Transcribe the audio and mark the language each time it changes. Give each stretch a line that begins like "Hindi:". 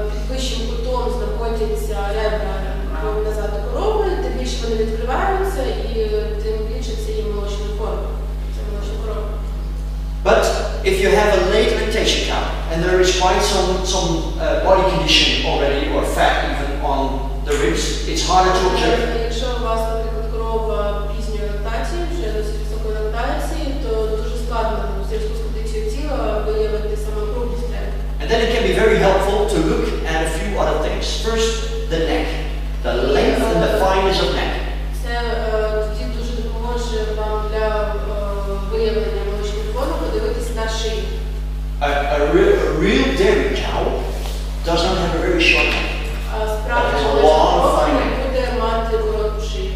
Ukrainian: Вищим кутом знаходяться ребра назад у корови, тим більше вони відкриваються і тим більше це її молочна форма. Це молочна корова.
English: But if you have a late lactation cow and there is quite some body condition already or fat even on the ribs, it's harder to observe.
Ukrainian: Якщо у вас, наприклад, корова пізньої лактації, вже досить високої лактації, то дуже складно в сільську кондицію тіла виявити саме кругість ребра.
English: And then it can be very helpful to look and a few other things. First, the neck. The length and the fineness of neck.
Ukrainian: Це тоді дуже допоможе вам для виявлення молочної форми подивитися на шиї.
English: A real dairy cow does not have a very short neck.
Ukrainian: Справді, молочна форма буде мати коротку шию.